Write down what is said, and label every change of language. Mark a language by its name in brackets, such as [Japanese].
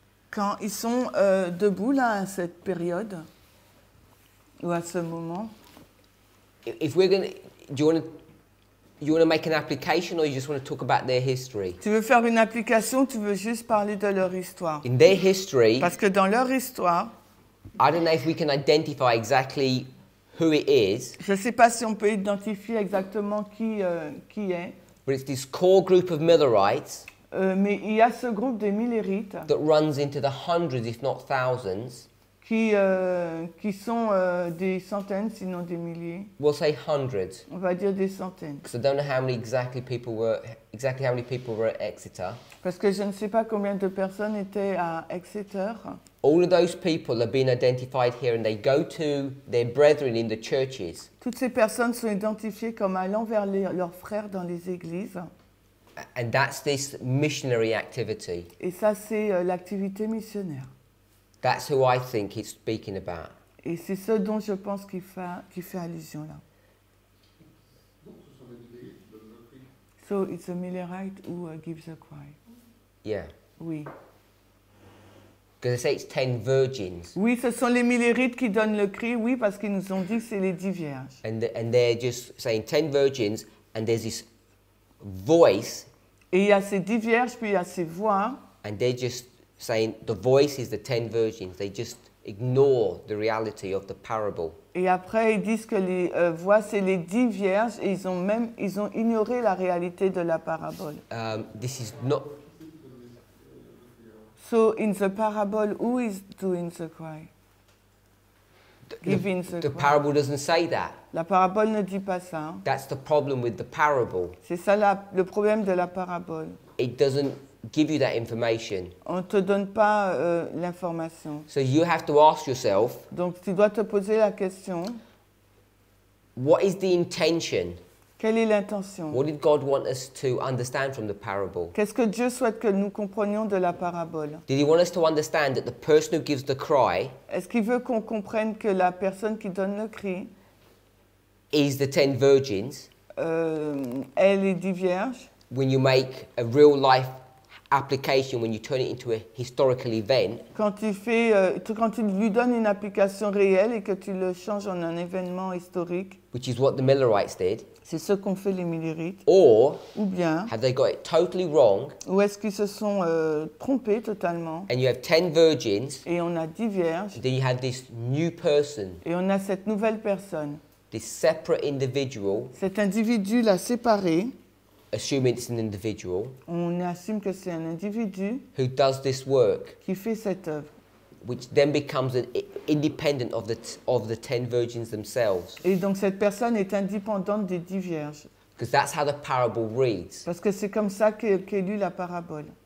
[French] Quand ils sont debout là à cette période ou à ce moment. [English] If we're gonna, do you wanna make an application or you just wanna talk about their history? [French] Tu veux faire une application, tu veux juste parler de leur histoire. [English] In their history. [French] Parce que dans leur histoire. [English] I don't know if we can identify exactly who it is. [French] Je ne sais pas si on peut identifier exactement qui est. [English] But it's this core group of Millerites. [French] Mais il y a ce groupe des Millerites [English] that runs into the hundreds, if not thousands, [French] qui sont des centaines, sinon des milliers. [English] We'll say hundreds. [French] On va dire des centaines. [English] So I don't know how many exactly how many people were at Exeter. [French] Parce que je ne sais pas combien de personnes étaient à Exeter. [English] All of those people have been identified here, and they go to their brethren in the churches. [French] Toutes ces personnes sont identifiées comme allant vers leurs frères dans les églises. [English] And that's this missionary activity. [French] Et ça, c'est l'activité missionnaire. [English] That's who I think he's speaking about. [French] Et c'est ce dont je pense qu'il fait allusion là. [English] So it's a Millerite who gives a cry. Yeah. [French] Oui. [English] Because they say it's 10 virgins. [French] Oui, ce sont les Millerites qui donnent le cri. Oui, parce qu'ils nous ont dit que c'est les 10 vierges. [English] And they're just saying 10 virgins, and there's this voice. [French] Et il y a ces 10 vierges, puis il y a ces voix. [English] And they're just saying the voice is the 10 virgins. They just ignore the reality of the parable. [French] Et après, ils disent que les voix, c'est les 10 vierges, et ils ont ignoré la réalité de la parabole. [English] This is not. So in the parable, who is doing the cry? The parable doesn't say that. [French] La parabole ne dit pas ça. [English] That's the problem with the parable. [French] C'est ça le problème de la parabole. [English] It doesn't give you that information. [French] On te donne pas l'information. [English] So you have to ask yourself. [French] Donc tu dois te poser la question. [English] What is the intention? [French] Quelle est l'intention? [English] What did God want us to understand from the parable? [French] Qu'est-ce que Dieu souhaite que nous comprenions de la parabole? [English] Did he want us to understand that the person who gives the cry? [French] Est-ce qu'il veut qu'on comprenne que la personne qui donne le cri [English] is the 10 virgins? [French] Elle est 10 vierges. [English] When you make a real life application, when you turn it into a historical event. [French] Quand tu lui donnes une application réelle et que tu le changes en un événement historique. [English] Which is what the Millerites did. [French] C'est ce qu'ont fait les millérites. [English] Or, [French] ou bien, [English] have they got it totally wrong? [French] Ou est-ce qu'ils se sont trompés totalement? [English] And you have 10 virgins. [French] Et on a 10 vierges. [English] Then you have this new person. [French] Et on a cette nouvelle personne. [English] This separate individual. [French] Cet individu l'a séparé. [English] Assuming it's an individual. [French] On assume que c'est un individu. [English] Who does this work? [French] Qui fait cette œuvre. [English] Which then becomes an independent of the 10 virgins themselves. [French] Et donc cette personne est indépendante des 10 vierges. [English] Because that's how the parable reads. [French] Parce que c'est comme ça qu'est lue la parabole.